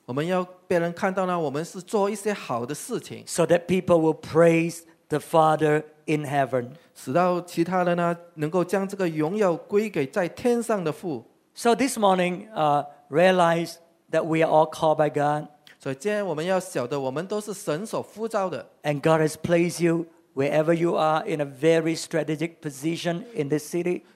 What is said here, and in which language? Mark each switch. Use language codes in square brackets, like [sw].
[zh] 我们要别人看到呢，我们是做一些好的事情。 [en] So that people will praise the Father in heaven. [zh] 使到其他的呢，能够将这个荣耀归给在天上的父。 [en] So this morning, realize that we are all called by God. [zh] 所以今天我们要晓得，我们都是神所呼召的。 [en] And God has placed you wherever you are in a very strategic position in this city.